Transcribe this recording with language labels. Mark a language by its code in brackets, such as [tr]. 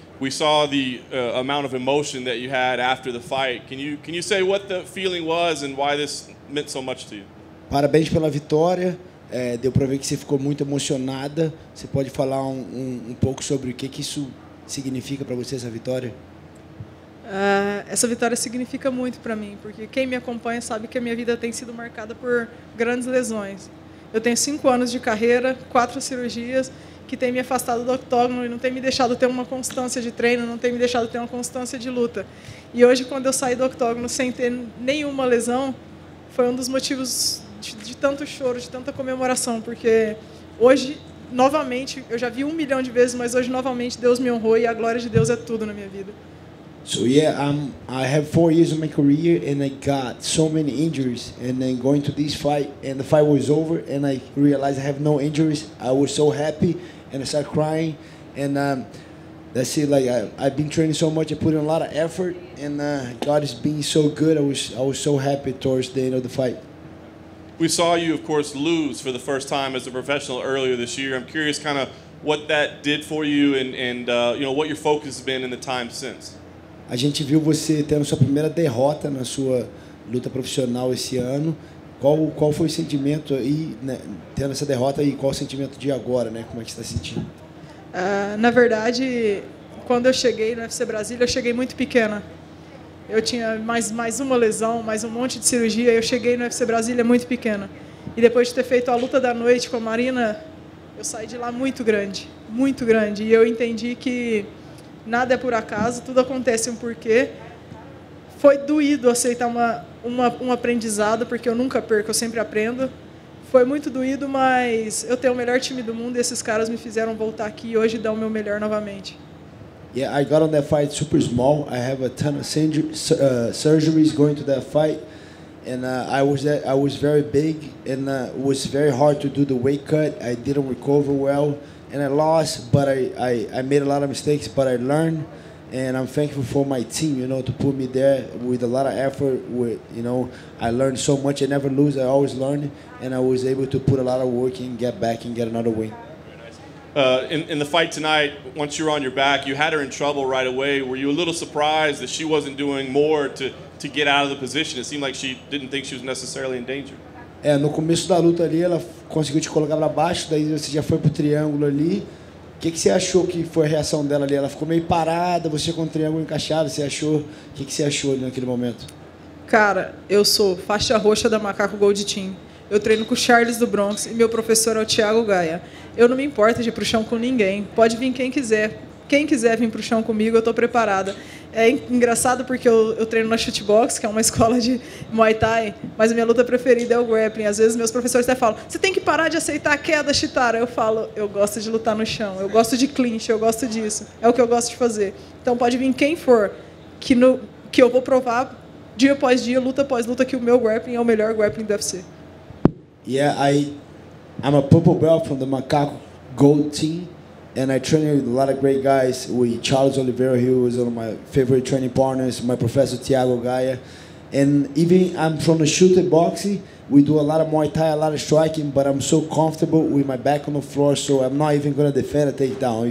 [en] We saw the amount of emotion that you had after the fight. Can you say what the feeling was and why this meant so much to you? [pt] Parabéns pela vitória. Deu para ver que você ficou muito emocionada. Você pode falar um pouco sobre o que isso significa para você, essa vitória? Essa vitória significa muito para mim, porque quem me acompanha sabe que a minha vida tem sido marcada por grandes lesões. Eu tenho 5 anos de carreira, 4 cirurgias, que tem me afastado do octógono e não tem me deixado ter uma constância de treino, não tem me deixado ter uma constância de luta. E hoje, quando eu saí do octógono sem ter nenhuma lesão, foi um dos motivos de tanto choro, de tanta comemoração, porque hoje, novamente, eu já vi 1 milhão de vezes, mas hoje, novamente, Deus me honrou e a glória de Deus é tudo na minha vida. [en] So yeah, I have 4 years of my career and I got so many injuries, and then going to this fight and the fight was over and I realized I have no injuries, I was so happy and I started crying, and that's it. Like I've been training so much, I put in a lot of effort, and God has been so good. I was so happy towards the end of the fight. We saw you, of course, lose for the first time as a professional earlier this year. I'm curious kind of what that did for you and you know, what your focus has been in the time since. [pt] A gente viu você tendo sua primeira derrota na sua luta profissional esse ano. Qual foi o sentimento aí, né, tendo essa derrota, e qual o sentimento de agora, né? Como é que você está sentindo? Na verdade, quando eu cheguei no UFC Brasília, eu cheguei muito pequena. Eu tinha mais uma lesão, mais um monte de cirurgia, e eu cheguei no UFC Brasília muito pequena. E depois de ter feito a luta da noite com a Marina, eu saí de lá muito grande, muito grande. E eu entendi que nada é por acaso, tudo acontece um porquê. Foi doído aceitar um aprendizado, porque eu nunca perco, eu sempre aprendo. Foi muito doído, mas eu tenho o melhor time do mundo e esses caras me fizeram voltar aqui e hoje dar o meu melhor novamente. [en] Yeah, I got on that fight super small. I have a ton of surgeries going to that fight, and I was very big, and it was very hard to do the weight cut. I didn't recover well. And I lost, but I made a lot of mistakes, but I learned, and I'm thankful for my team, you know, to put me there with a lot of effort. With, you know, I learned so much. I never lose. I always learn, and I was able to put a lot of work in, get back and get another win. In the fight tonight, once you were on your back, you had her in trouble right away. Were you a little surprised that she wasn't doing more to get out of the position? It seemed like she didn't think she was necessarily in danger. [pt] No começo da luta ali, ela conseguiu te colocar para baixo, daí você já foi pro triângulo ali. O que você achou que foi a reação dela ali? Ela ficou meio parada, você com o triângulo encaixado, você achou? O que você achou ali naquele momento? Cara, eu sou faixa roxa da Macaco Gold Team. Eu treino com o Charles do Bronx e meu professor é o Thiago Gaia. Eu não me importo de ir pro chão com ninguém. Pode vir quem quiser. Quem quiser vir pro chão comigo, eu tô preparada. É engraçado porque eu treino na Shootbox, que é uma escola de Muay Thai, mas a minha luta preferida é o grappling. Às vezes meus professores até falam, você tem que parar de aceitar a queda, Chitara. Eu falo, eu gosto de lutar no chão, eu gosto de clinch, eu gosto disso. É o que eu gosto de fazer. Então pode vir quem for, que eu vou provar dia após dia, luta após luta, que o meu grappling é o melhor grappling do UFC. [en] Yeah, I'm a purple belt from the Macaco Gold Team. And I trained with a lot of great guys, with Charles Oliveira, who was one of my favorite training partners, my professor Thiago Gaia. And even I'm from the shooter boxing, we do a lot of Muay Thai, a lot of striking, but I'm so comfortable with my back on the floor, so I'm not even going to defend a takedown.